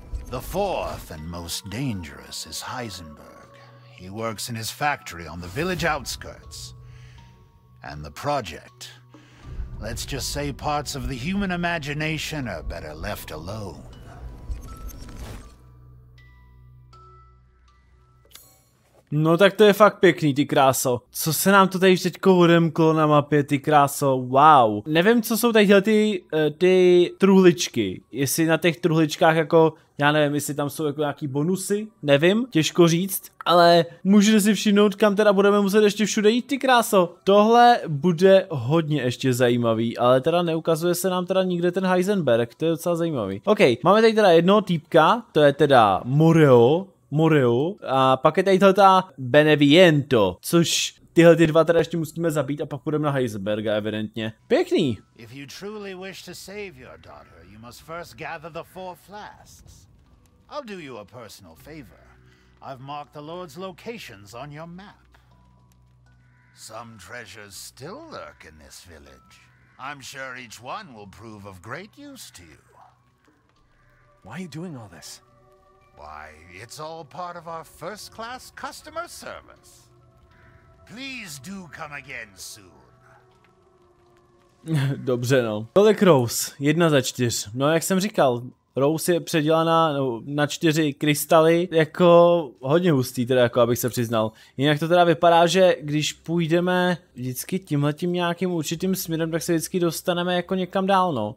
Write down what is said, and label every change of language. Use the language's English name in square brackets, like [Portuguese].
[English] The fourth and most dangerous is Heisenberg. He works in his factory on the village outskirts. And the project, let's just say parts of the human imagination are better left alone. [Czech] No tak to je fakt pěkný, ty kráso. Co se nám to tady teďko odemklo na mapě, ty kráso, wow. Nevím, co jsou tady ty truhličky. Jestli na těch truhličkách jako, já nevím, jestli tam jsou jako nějaký bonusy, nevím, těžko říct. Ale můžete si všimnout, kam teda budeme muset ještě všude jít, ty kráso. Tohle bude hodně ještě zajímavý, ale teda neukazuje se nám teda nikde ten Heisenberg, to je docela zajímavý. Ok, máme tady teda jednoho týpka, to je teda Moreau. A pak je tady tohleta Beneviento, což tyhle ty dva teda ještě musíme zabít a pak půjdeme na Heisenberga evidentně. Pěkný! [English] If you truly wish to save your daughter, you must first gather the 4 flasks. I'll do you a personal favor. I've marked the Lord's locations on your map. Some treasures still lurk in this village. I'm sure each one will prove of great use to you. Why are you doing all this? Why, it's all part of our first-class customer service. Please do come again soon. [Czech] Dobře no. Kolik Rose? 1/4. No jak jsem říkal, Rose je předělaná na 4 krystaly, jako hodně hustý teda, jako abych se přiznal. Jinak to teda vypadá, že když půjdeme vždycky tímhletím nějakým určitým směrem, tak se vždycky dostaneme jako někam dál, no.